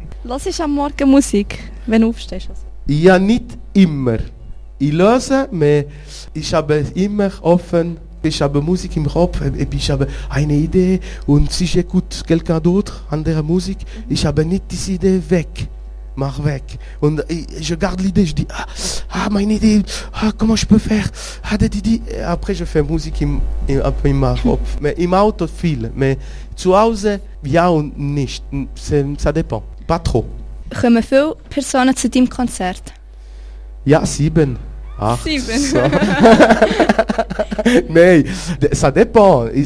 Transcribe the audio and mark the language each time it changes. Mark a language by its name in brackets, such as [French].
[German] Lass ich am Morgen Musik, wenn du aufstehst? Also. Ja, nicht immer. Ich löse, aber ich habe immer offen. Ich habe Musik im Kopf, ich habe eine Idee. Und wenn ich jemand anderes höre, andere Musik, ich habe nicht diese Idee weg. mach weg. Und [French] je garde l'idée, je dis, [German] meine Idee, [French] comment je peux faire? Après, je fais [German] Musik in meinem Kopf. Im Auto viel, [French] mais [German] zu Hause, ja und nicht. [French] Ça dépend, pas trop. [German] Kommen viele Personen zu deinem Konzert? Ja, 7. 7? Nein, [French] ça dépend.